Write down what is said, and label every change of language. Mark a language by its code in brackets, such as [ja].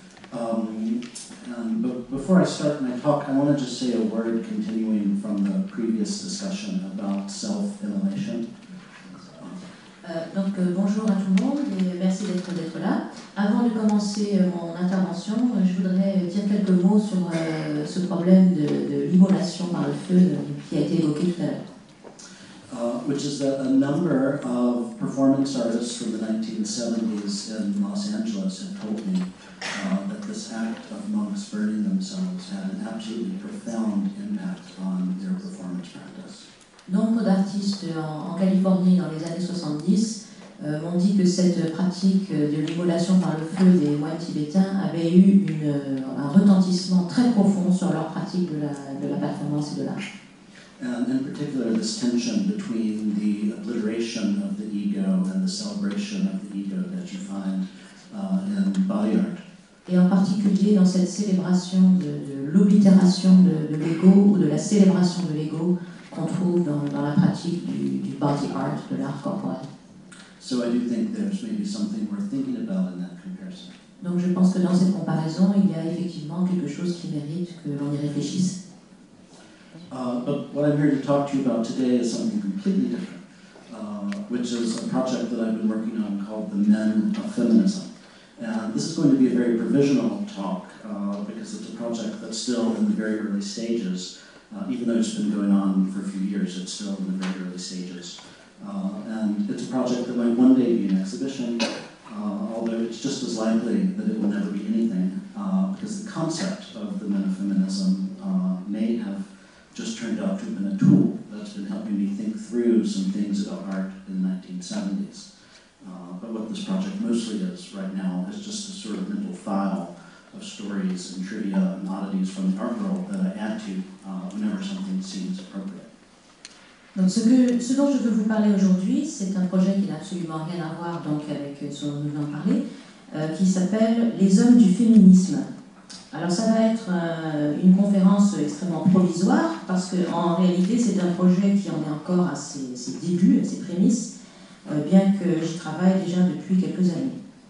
[en] But before I start my talk, I want to just say a word continuing from the previous discussion about self-immolation. [fr] Donc bonjour à tout le monde et merci d'être là. Avant de commencer mon intervention, je voudrais dire quelques mots sur ce problème de l'immolation par le feu qui a été évoqué tout à l'heure. [en] Which is that a number of performance artists from the 1970s in Los Angeles have told me that this act of monks burning themselves had an absolutely profound impact on their performance practice. [fr] Nombre d'artistes en Californie dans les années 70 m'ont dit que cette pratique de l'immolation par le feu des moines tibétains avait eu un retentissement très profond sur leur pratique de la performance et de l'art. [en] And in particular, this tension between the obliteration of the ego and the celebration of the ego that you find in Bayard. [fr] Et en particulier dans cette célébration de l'oblitération de l'ego ou de la célébration de l'ego qu'on trouve dans la pratique du body art, de l'art corporel. [en] So I do think there's maybe something worth thinking about in that comparison. [fr] Donc je pense que dans cette comparaison, il y a effectivement quelque chose qui mérite que l'on y réfléchisse. [en] But what I'm here to talk to you about today is something completely different, which is a project that I've been working on called The Men of Feminism. And this is going to be a very provisional talk, because it's a project that's still in the very early stages. Even though it's been going on for a few years, it's still in the very early stages. And it's a project that might one day be an exhibition, although it's just as likely that it will never be anything, because the concept of the men of feminism may have just turned out to have been a tool that's been helping me think through some things about art in the 1970s. But what this project mostly is right now is just a sort of mental file of stories and trivia and oddities from the art world that I add to whenever something seems appropriate. [fr] Donc ce dont je veux vous parler aujourd'hui, c'est un projet qui n'a absolument rien à voir donc avec ce dont nous venons parler, qui s'appelle Les hommes du féminisme. Alors ça va être une conférence extrêmement provisoire parce que en réalité c'est un projet qui en est encore à ses débuts, à ses prémices, bien que j'y travaille déjà depuis quelques années.